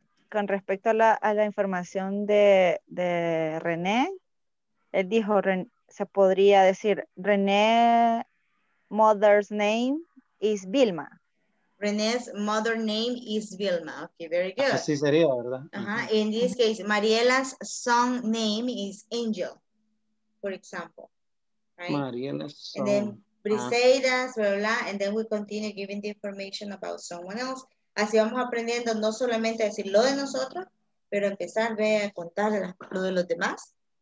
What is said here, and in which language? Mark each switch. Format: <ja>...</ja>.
<es>Con respecto a la información de René, él dijo, se podría decir,</es> <en>René mother's name is Vilma. René's mother name is Vilma. Okay, very good.</en> <es>Así sería, ¿verdad? Uh-huh.</es> <en>In this case, Mariela's son name is Angel, for example. Right? Mariela's son. And then Briseida's, blah, blah, and then we continue giving the information about someone else.</en> <es>Así vamos aprendiendo no solamente a decir lo de nosotros, pero empezar a contar lo de los demás.</es>